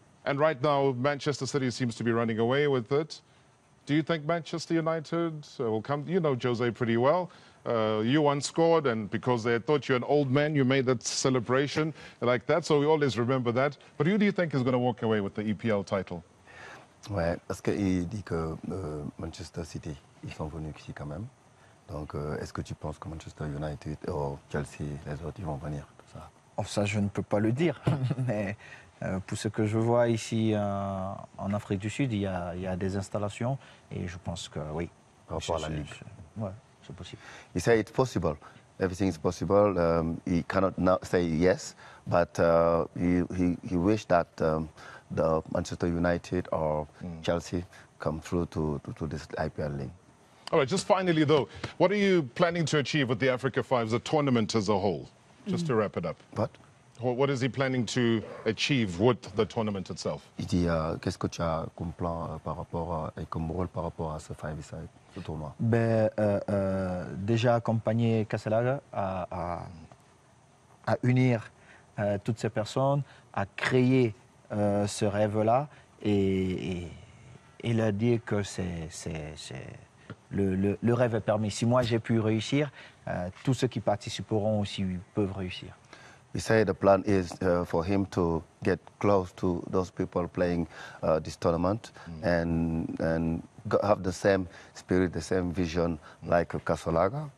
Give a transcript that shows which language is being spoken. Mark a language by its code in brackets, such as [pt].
[en] And right now, Manchester City seems to be running away with it. Do you think Manchester United will come? You know Jose pretty well. You once scored, and because they thought you're an old man, you made that celebration like that. So we always remember that. But who do you think is going to walk away with the EPL title? [fr] Ouais, parce qu'il dit que Manchester City, ils sont venus ici quand même. Donc, est-ce que tu penses que Manchester United ou Chelsea, les autres, ils vont venir, tout ça? Oh, ça, je ne peux pas le dire. Mais pour ce que je vois ici en Afrique du Sud, il y a des installations. Et je pense que oui. Par rapport à la Ligue. Ouais, c'est possible. Il dit que c'est possible. [en] Everything is possible. He cannot now say yes, but he wish that the Manchester United or Chelsea come through to this IPL league. All right, just finally though, what are you planning to achieve with the Africa Fives, the tournament as a whole? Just to wrap it up. What? What is he planning to achieve with the tournament itself? [fr] Il dit, qu'est-ce que tu as comme plan par rapport à, et comme rôle par rapport à ce Five Side, ce tournoi? Ben, déjà accompagner Casalaga à unir toutes ces personnes, à créer ce rêve-là et leur dire que c'est le rêve est permis. Si moi j'ai pu réussir, tous ceux qui participeront aussi peuvent réussir. [en] He said the plan is for him to get close to those people playing this tournament and have the same spirit, the same vision like Casalaga.